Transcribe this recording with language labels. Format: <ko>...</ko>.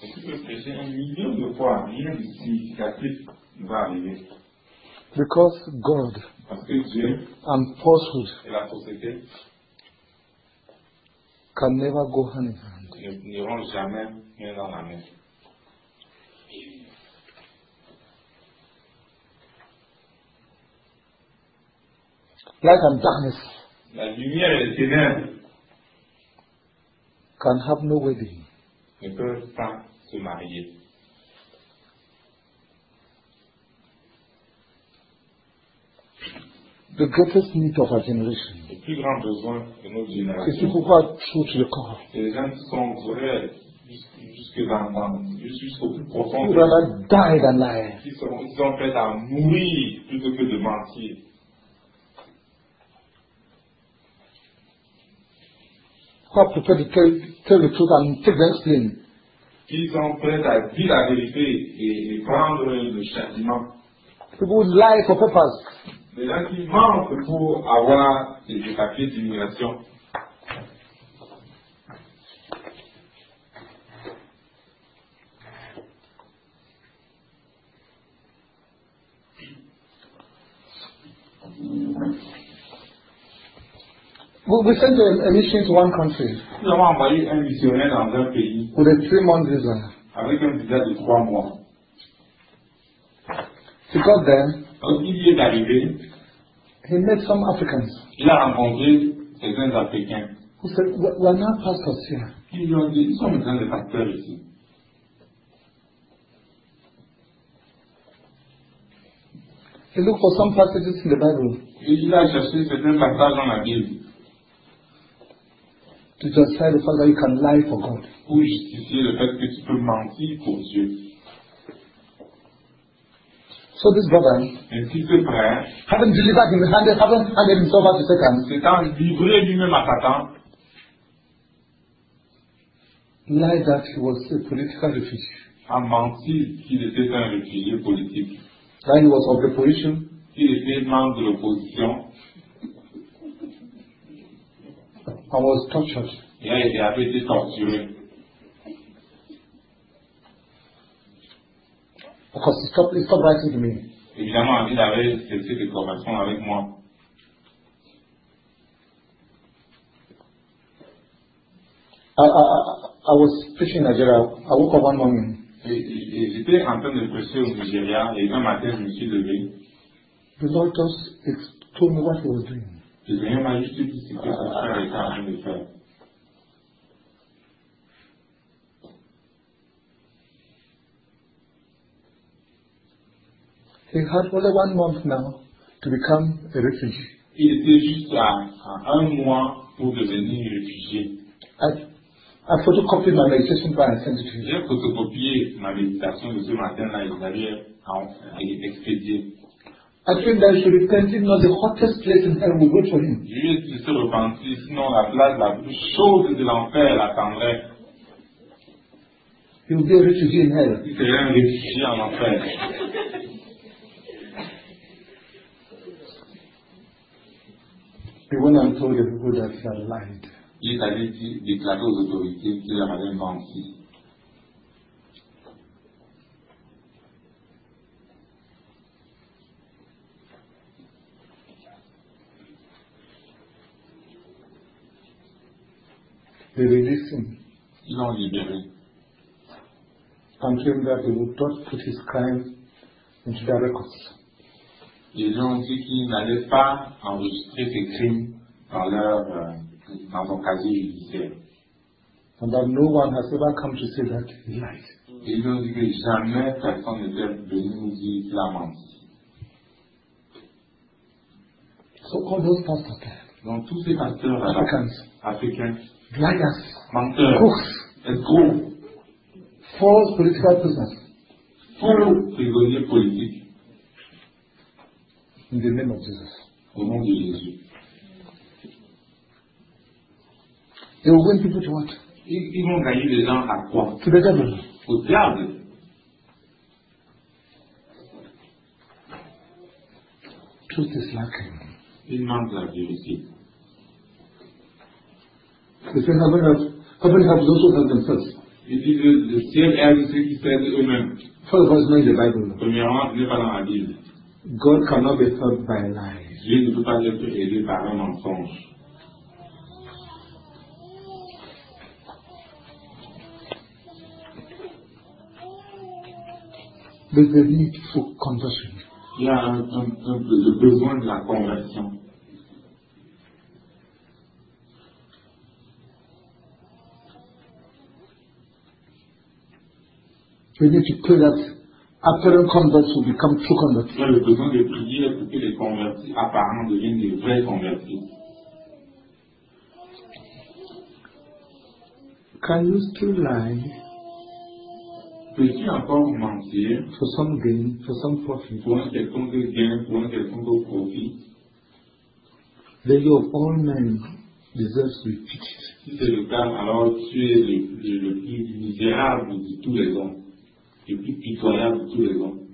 <fr>Je peux prêcher un million de fois, rien de significatif ne va arriver.</fr> <en>Because God and falsehood can never go hand in hand.</en> <fr>Ils n'iront jamais main dans la main.</fr> <en>Light and darkness.</en> <fr>La lumière et les ténèbres.</fr> <en>Can have no wedding.</en> <fr>Ne peuvent pas se marier.</fr> <en>The greatest need of our generation.</en> <fr>Le plus grand besoin de notre génération. Et c'est pourquoi</fr> <en>true to the core.</en> <fr>C'est les gens qui sont vrais jusque dans jusqu'au plus profond.</fr> <en>Who rather die than lie.</en> <fr>Qui sont prêts à mourir plutôt que de mentir.</fr> <en>Who are prepared to tell the truth and take the blame?</en> <fr>Qui sont prêts à dire la vérité et prendre le châtiment?</fr> <en>People who lie for purpose.</en> <fr>Les gens qui mentent pour avoir des papiers d'immigration.</fr> <en>We sent a mission to one country.</en> <fr>Nous avons envoyé un missionnaire dans un pays.</fr> <en>With a 3-month visa.</en> <fr>Avec un visa de 3 mois.</fr> <en>He got there.</en> <fr>Donc il y est arrivé.</fr> <en>He met some Africans.</en> <fr>Il a rencontré certains Africains.</fr> <en>Who said, we are not pastors here.</en> <fr>Ils lui ont dit, nous sommes dans des pasteurs ici.</fr> <en>He looked for some passages in the Bible.</en> <fr>Et il a cherché certains passages dans la Bible.</fr> <en>To justify the fact that you can lie for God.</en> <fr>Pour justifier le fait que tu peux mentir pour Dieu.</fr> <en>So this brother,</en> <fr>et si ce frère,</fr> <en>having delivered him, having handed himself out to Satan,</en> <fr>s'étant livré lui-même à Satan,</fr> <en>lied that he was a political refugee.</en> <fr>A menti qu'il était un réfugié politique.</fr> <en>That he was of the opposition.</en> <fr>Qu'il était membre de l'opposition.</fr> <en>I was tortured. Yeah, they have been torturing. Because he stopped writing to me.</en> <fr>Évidemment, il avait cessé de correspondre avec moi.</fr> <en>I was preaching in Nigeria. I woke up one morning.</en> <fr>J'étais en train de prêcher au Nigeria et un matin je me suis levé.</fr> <en>The Lord just told me what he was doing.</en> <fr>Le Seigneur m'a juste dit ce que son frère était en train de faire.</fr> <en>He had only 1 month now to become a refugee.</en> <fr>Il était juste à un mois pour devenir réfugié.</fr> <en>I photocopied my meditation plan and sent it to him.</en> <fr>J'ai photocopié ma méditation de ce matin-là et j'avais expédié.</fr> <en>I think that I should repent, you know, the hottest place in hell will go for him.</en> <fr>Je lui ai dit se repentir, sinon la place la plus chaude de l'enfer l'attendrait.</fr> <en>He will be a refugee in hell.</en> <fr>Il serait un réfugié en enfer.</fr> <en>He went and told the people that he had lied.</en> <fr>Il est allé déclarer aux autorités qu'il avait menti.</fr> <en>They released him.</en> <fr>Ils l'ont libéré.</fr> <en>And claimed that he would not put his crime into their records.</en> <fr>Ils ont dit qu'ils n'allaient pas enregistrer ses crimes dans son casier judiciaire.</fr> <en>And that no one has ever come to say that he lied.</en> <fr>Ils ont dit que jamais personne n'était venu nous dire qu'il a menti.</fr> <en>So all those pastors there.</en> <fr>Donc tous ces pasteurs africains,</fr> <en>liars,</en> <fr>menteurs,</fr> <en>crooks,</en> <fr>escrocs,</fr> <en>false political prisoners,</en> <fr>faux prisonniers politiques.</fr> <en>In the name of Jesus.</en> <fr>Au nom de Jésus.</fr> <en>They will win people to what?</en> <fr>Ils vont gagner des gens à quoi?</fr> <en>To the devil.</en> <fr>Au diable.</fr> <en>Truth is lacking.</en> <fr>Il manque la vérité.</fr> <en>The same heaven has, heaven has those who have themselves.</en> <fr>Il dit que le ciel est avec ceux qui servent eux-mêmes.</fr> <en>First of all, it's not in the Bible.</en> <fr>Premièrement, ce n'est pas dans la Bible.</fr> <en>God cannot be helped by lies.</en> <fr>Dieu ne peut pas être aidé par un mensonge.</fr> <en>There's a need for conversion.</en> <fr>Il y a un besoin de la conversion.</fr> <en>We need to pray that apparent converts will become true converts.</en> <fr>Il y a le besoin de prier pour que les convertis apparents deviennent des vrais convertis.</fr> <en>Can you still lie?</en> <fr>Peux-tu encore mentir?</fr> <en>For some gain, for some profit.</en> <fr>Pour un quelconque gain, pour un quelconque profit.</fr> <en>The law of all men deserves to be pitied.</en> <fr>Si c'est le cas, alors tu es le plus misérable de tous les hommes. Et plus pitoyable tous les ans.</fr>